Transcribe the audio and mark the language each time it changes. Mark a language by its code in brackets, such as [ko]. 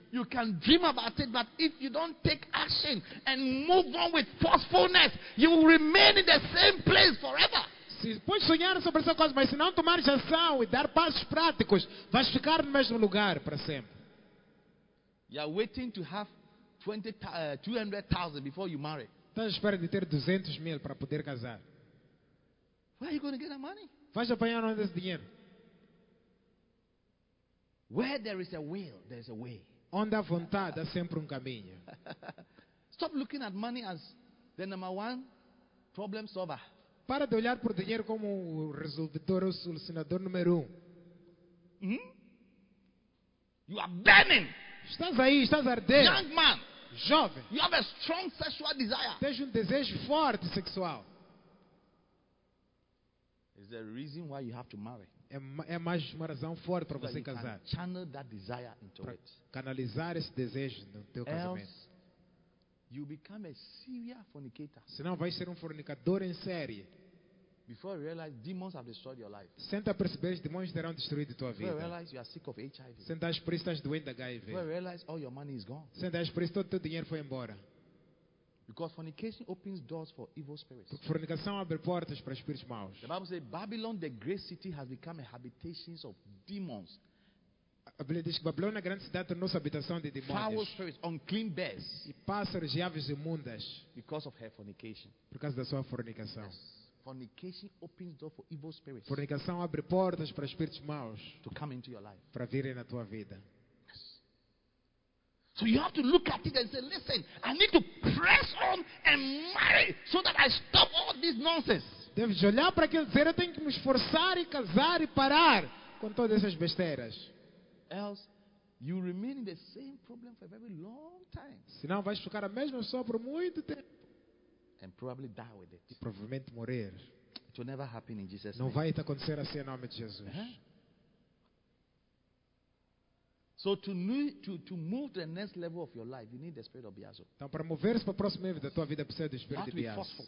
[en] You can dream about it, but if you don't take action and move on with forcefulness, you will remain in the same place forever. [pt] Se pode sonhar sobre essa coisa, mas se não tomar ação e dar passos práticos, vais ficar no mesmo lugar para sempre. [en] You are waiting to have 200,000 before you marry. [pt] Estás à espera de ter 200 mil para poder casar. [en] Where are you going to get that money? [pt] Vais apanhar onde esse dinheiro? [en] Where there is a will, there is a way. [pt] Onde há vontade, há sempre caminho. [en] Stop looking at money as the number one problem solver. [pt] Para de olhar para o dinheiro como o resolvedor, o solucionador número um. [en] You are burning. [pt] Estás aí, estás ardendo. [en] Young man. [pt] Jovem. [en] You have a strong sexual desire. [pt] Tens desejo forte sexual. [en] Is there a reason why you have to marry? [pt] É mais uma razão forte para você casar. [en] Channel that desire into it. [pt] Canalizar esse desejo no teu casamento. [en] Else, you become a serious fornicator. [pt] Senão vai ser um fornicador em série. [en] Before you realize demons have destroyed your life. [pt] Senta a perceber que demônios terão destruído tua vida. [en] Before you realize you are sick of HIV. [pt] Senta a perceber que estás doente de HIV. [en] Before you realize all your money is gone. [pt] Senta a perceber que todo o teu dinheiro foi embora. [en] Because fornication opens doors for evil spirits. [pt] Porque fornicação abre portas para espíritos maus. [en] The Bible says Babylon, the great city, has become a habitation of demons. [pt] A Bíblia diz que Babilônia, a grande cidade, tornou-se habitação de demônios. [en] Foul spirits, unclean bears. [pt] E pássaros e aves imundas. [en] Because of her fornication. [pt] Por causa da sua fornicação. [en] Yes. Fornication opens door for evil spirits. [pt] Fornicação abre portas para espíritos maus. [en] To come into your life. [pt] Para virem na tua vida. [en] Yes. So you have to look at it and say, listen, I need to press on and marry so that I stop all this nonsense. [pt] Deves olhar para aquilo e dizer, eu tenho que me esforçar e casar e parar com todas essas besteiras. [en] Else, you remain in the same problem for a very long time. [pt] Senão vais ficar a mesma pessoa por muito tempo. [en] And probably die with it. [pt] E provavelmente morrer. [en] It will never happen in Jesus' name. [pt] Não vai acontecer assim em nome de Jesus. [en] So to move to the next level of your life, you need the spirit of Biazo. [pt] Então para mover-se para o próximo nível da tua vida precisa do espírito de Biazo.